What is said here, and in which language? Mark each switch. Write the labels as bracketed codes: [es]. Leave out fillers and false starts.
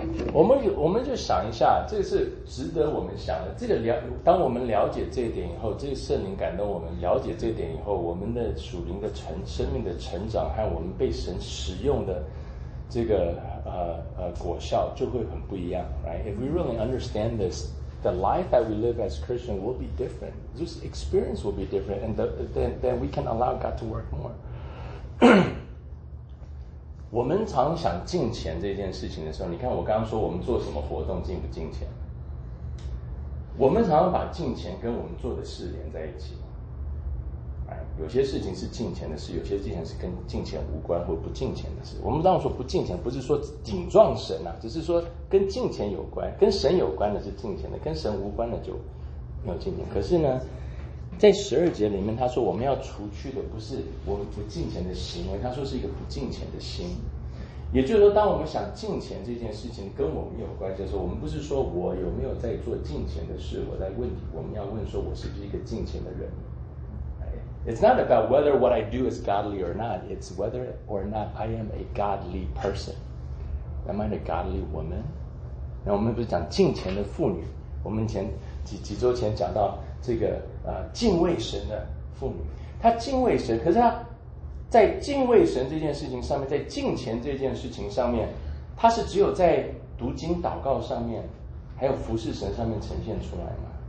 [zh] 我们就想一下，这个是值得我们想的。这个当我们了解这一点以后，这个圣灵感动我们了解这一点以后，我们的属灵的生命的成长和我们被神使用的这个果效就会很不一样 ，right? [en] If we really understand this, the life that we live as Christian will be different. This experience will be different, and then we can allow God to work more. [zh] 我们常想敬虔这件事情的时候，你看我刚刚说我们做什么活动敬不敬虔，我们常常把敬虔跟我们做的事连在一起，有些事情是敬虔的事，有些敬虔是跟敬虔无关或不敬虔的事。我们当时说不敬虔不是说顶撞神啊，只是说跟敬虔有关，跟神有关的是敬虔的，跟神无关的就没有敬虔。可是呢，在十二节里面他说我们要除去的不是我们不敬虔的行为，他说是一个不敬虔的心。也就是说，当我们想敬虔这件事情跟我们有关系的时候，我们不是说我有没有在做敬虔的事，我在问你，我们要问说我是不是一个敬虔的人。 [en] It's not about whether what I do is godly or not, it's whether or not I am a godly person. Am I a godly woman? [zh] 那我们不是讲敬虔的妇女，我们前 几周前讲到这个敬畏神的妇女，她敬畏神，可是她在敬畏神这件事情上面，在敬虔这件事情上面，她是只有在读经祷告上面还有服侍神上面呈现出来吗？